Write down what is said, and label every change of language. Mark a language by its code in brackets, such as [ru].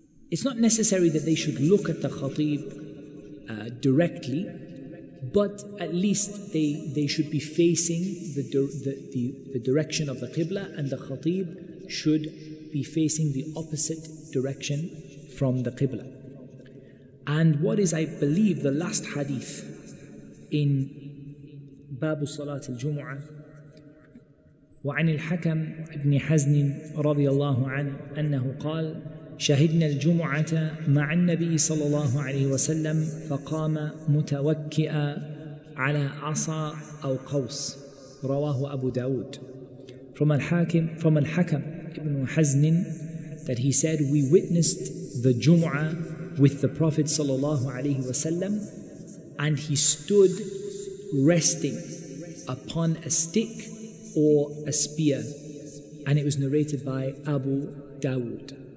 [en] It's not necessary that they should look at the khatib directly, but at least they should be facing the direction of the qibla, and the khatib should be facing the opposite direction from the qibla. And what is, I believe, the last hadith in [ar] باب الصلاة الجمعة وعن الحكم ابن حزن رضي الله عنه أنه قال شهدنا الجمعة مع النبي صلى الله عليه وسلم فقام متوكئا على عصا أو قوس رواه أبو داود. [en] From الحكم ابن حزن that he said we witnessed the Jumu'ah with the Prophet صلى الله عليه وسلم and he stood resting upon a stick or a spear, and it was narrated by Abu Dawood.